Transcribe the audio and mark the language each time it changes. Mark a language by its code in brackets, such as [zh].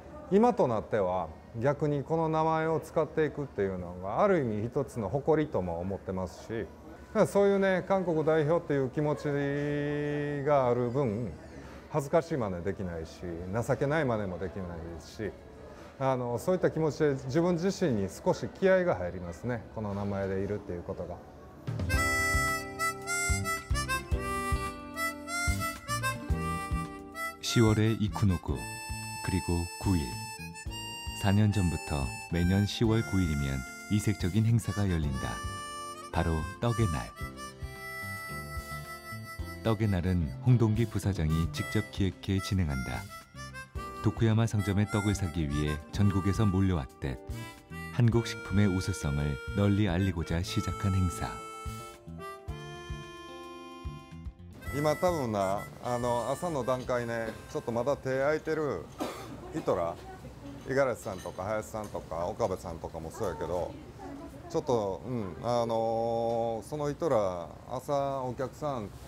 [ja] 今となっては逆にこの名前を使っていくっていうのがある意味一つの誇りとも思ってますし、そういうね韓国代表っていう気持ちがある分恥ずかしい真似できないし情けない真似もできないし、 そういった気持ちで自分自身に少し気合が入りますね、この名前でいるっていうことが。 [ko] 10월의 이쿠노쿠, 그리고 9일. 4년 전부터 매년 10월 9일이면 이색적인 행사가 열린다. 바로 떡의 날. 떡의 날은 홍동기 부사장이 직접 기획해 진행한다. 도쿠야마 상점의 떡을 사기 위해 전국에서 몰려왔듯 한국 식품의 우수성을 널리 알리고자 시작한 행사. [ja] 今多分な、朝の段階ね、ちょっとまだ手空いてるヒトラー、五十嵐さんとか林さんとか岡部さんとかもそうやけど、ちょっとその人ら朝お客さん